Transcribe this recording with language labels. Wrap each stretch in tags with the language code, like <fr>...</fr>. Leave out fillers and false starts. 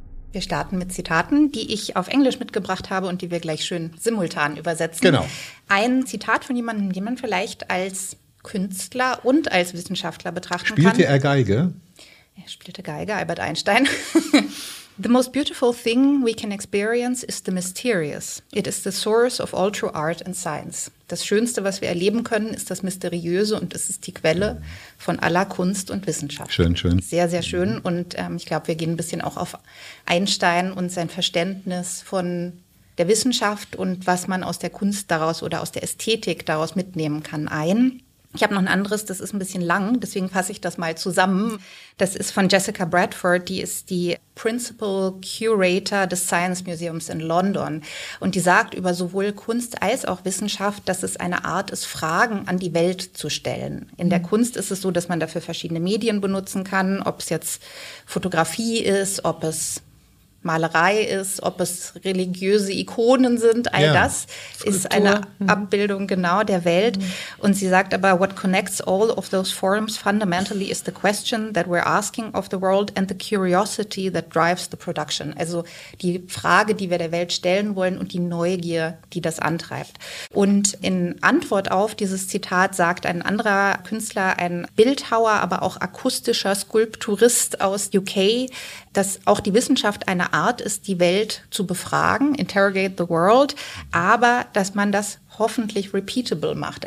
<de>Wir starten mit Zitaten, die ich auf Englisch mitgebracht habe und die wir gleich schön simultan übersetzen. Genau. Ein Zitat von jemandem, den man vielleicht als Künstler und als Wissenschaftler betrachten spielte kann. Spielte er Geige? Er spielte Geige, Albert Einstein.</de> <en>The most beautiful thing we can experience is the mysterious. It is the source of all true art and science.</en> <de>Das Schönste, was wir erleben können, ist das Mysteriöse und es ist die Quelle von aller Kunst und Wissenschaft. Schön, schön. Sehr, sehr schön. Und ich glaube, wir gehen ein bisschen auch auf Einstein und sein Verständnis von der Wissenschaft und was man aus der Kunst daraus oder aus der Ästhetik daraus mitnehmen kann ein. Ich habe noch ein anderes, das ist ein bisschen lang, deswegen fasse ich das mal zusammen. Das ist von Jessica Bradford, die ist die Principal Curator des Science Museums in London. Und die sagt über sowohl Kunst als auch Wissenschaft, dass es eine Art ist, Fragen an die Welt zu stellen. In der Kunst ist es so, dass man dafür verschiedene Medien benutzen kann, ob es jetzt Fotografie ist, ob es Malerei ist, ob es religiöse Ikonen sind, all das Skulptur. Ist eine Abbildung genau der Welt. Mhm. Und sie sagt aber,</de> <en>what connects all of those forms fundamentally is the question that we're asking of the world and the curiosity that drives the production.</en> <de>Also die Frage, die wir der Welt stellen wollen und die Neugier, die das antreibt. Und in Antwort auf dieses Zitat sagt ein anderer Künstler, ein Bildhauer, aber auch akustischer Skulpturist aus UK, dass auch die Wissenschaft eine Art ist, die Welt zu befragen,</de> <en>interrogate the world,</en> <de>aber dass man das hoffentlich repeatable macht.</de>